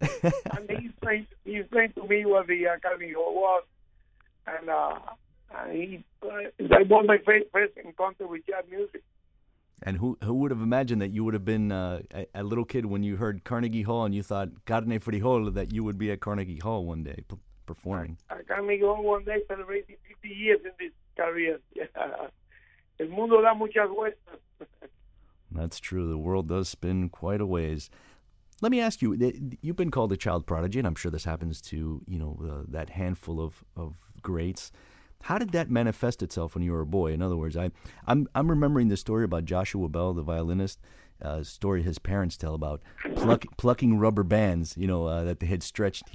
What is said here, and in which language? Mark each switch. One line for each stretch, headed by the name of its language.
English: And he explained to me what the Carnegie Hall was, and that was my first encounter with jazz music. And who would have imagined that you would have been a little kid when you heard Carnegie Hall and you thought, carne frijoles, that you would be at Carnegie Hall one day performing? At Carnegie Hall one day, celebrating 50 years in this career.
Spanish: El mundo da muchas vueltas.
English: That's true. The world does spin quite a ways. Let me ask you, you've been called a child prodigy, and I'm sure this happens to, you know, that handful of greats. How did that manifest itself when you were a boy? In other words, I'm remembering the story about Joshua Bell, the violinist, a story his parents tell about plucking rubber bands, you know, that they had stretched.